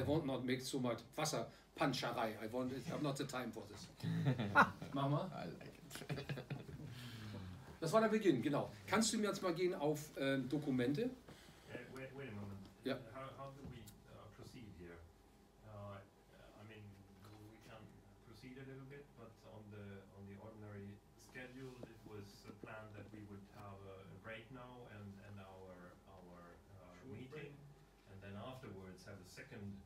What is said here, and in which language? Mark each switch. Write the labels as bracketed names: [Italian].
[English] I won't not make so much Wasserpanscherei. I want it, I have not the time for this. Mama? I like it. [German] Das war der Beginn, genau. Kannst du mir jetzt mal gehen auf Dokumente? [English] Wait a moment. Yeah. How do we proceed here? I mean, we can proceed a little bit, but on the ordinary schedule, it was planned that we would have a break now and our meeting, and then afterwards have a second.